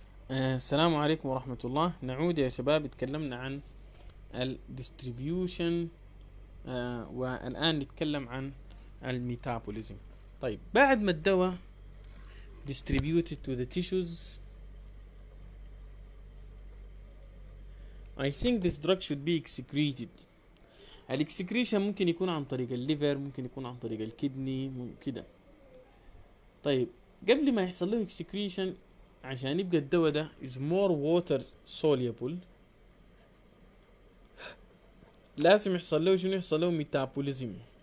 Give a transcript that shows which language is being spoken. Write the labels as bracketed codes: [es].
[ar] السلام عليكم ورحمة الله. نعود يا شباب، تكلمنا عن الـ distribution والآن نتكلم عن الميتابوليزم. طيب، بعد ما الدواء [en] distributed to the tissues I think this drug should be excreted. [ar] الـ excretion ممكن يكون عن طريق الليفر، ممكن يكون عن طريق الكدني كده. طيب، قبل ما يحصل له excretion عشان يبقى الدواء ده [en] is more water soluble [ar] لازم يحصل له شنو؟ يحصل له ميتابوليزم.